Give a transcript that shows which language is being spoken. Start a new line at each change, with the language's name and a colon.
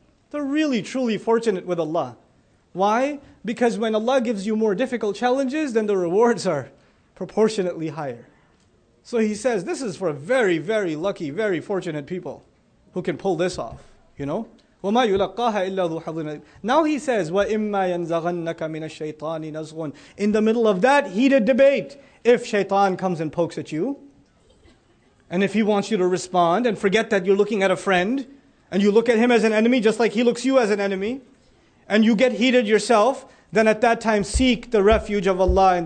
English: They're really, truly fortunate with Allah. Why? Because when Allah gives you more difficult challenges, then the rewards are proportionately higher. So he says, this is for very, very lucky, very fortunate people who can pull this off, you know?
Arabic: وَمَا يُلَقَّاهَا إِلَّا ذُو حَظٍ عَظِيمٍ.
English: Now he says,
Arabic: وَإِمَّا يَنْزَغَنَّكَ مِنَ الشَّيْطَانِ نَزْغٌ.
English: In the middle of that heated debate, if shaitan comes and pokes at you, and if he wants you to respond and forget that you're looking at a friend, and you look at him as an enemy just like he looks you as an enemy, and you get heated yourself, then at that time seek the refuge of Allah.